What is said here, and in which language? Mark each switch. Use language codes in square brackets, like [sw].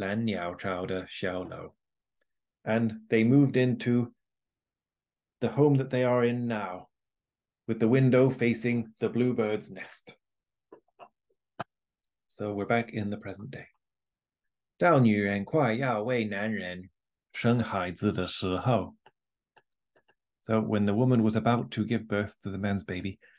[zh] 他们住进了现在这个窗口对着蓝鸟巢的小楼, [en] and they moved into the home that they are in now, with the window facing the bluebird's nest. So we're back in the present day. [zh] 到女人快要为男人生孩子的时候, [en] so when the woman was about to give birth to the man's baby,